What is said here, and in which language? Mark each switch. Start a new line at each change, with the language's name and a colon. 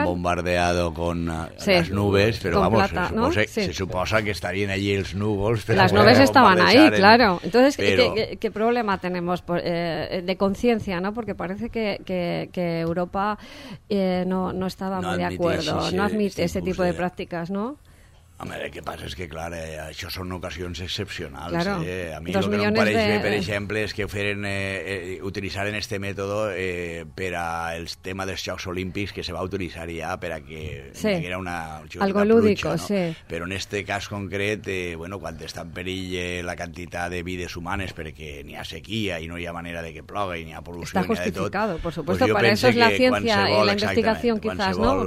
Spanish: Han bombardeado con las nubes, pero vamos, se suposa que estarían allí los núvols. Las nubes estaban ahí, claro. Entonces, ¿qué problema tenemos de conciencia, ¿no? Porque parece que Europa no estaba muy de acuerdo, no admite ese tipo de prácticas, ¿no?
Catalan: Home, el que passa és que, clar, això són ocasions excepcionals.
Spanish: Claro.
Catalan: A mi el que no em pareix bé, per exemple, és que utilitzaren este mètode per al tema dels Jocs Olímpics, que se va utilitzar ja per a que sí. Hi haguera una...
Spanish: Algo lúdico, no? Sí.
Catalan: Però en este cas concret, bueno, quan està en perill la quantitat de vides humanes perquè n'hi ha sequia i no hi ha manera de que plogui, n'hi ha pol·lució, n'hi ha de tot...
Spanish: Está justificado, por supuesto, pues para eso es la ciencia y la investigación, quizás, ¿no?